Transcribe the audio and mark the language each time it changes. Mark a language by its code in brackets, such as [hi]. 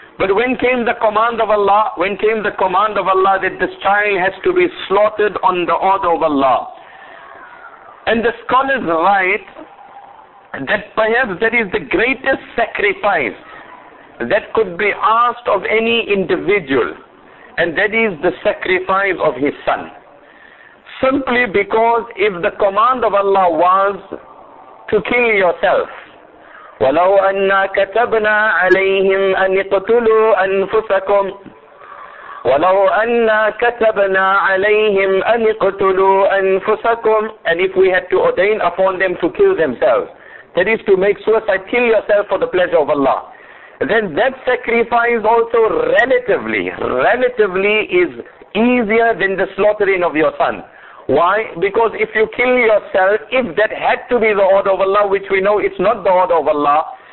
[en] But when came the command of Allah, that this child has to be slaughtered on the order of Allah. And the scholars write that perhaps that is the greatest sacrifice that could be asked of any individual, and that is the sacrifice of his son. Simply because if the command of Allah was to kill yourself, [ar] وَلَوْ أَنَّا كَتَبْنَا عَلَيْهِمْ أَنْ يَقْتُلُوا أَنفُسَكُمْ وَلَوْ أَنَّا كَتَبْنَا عَلَيْهِمْ أَنْ يَقْتُلُوا أَنفُسَكُمْ. [en] And if we had to ordain upon them to kill themselves, that is to make suicide, kill yourself for the pleasure of Allah, then that sacrifice also relatively is easier than the slaughtering of your son. Why? Because if you kill yourself, if that had to be the order of Allah, which we know it's not the order of Allah,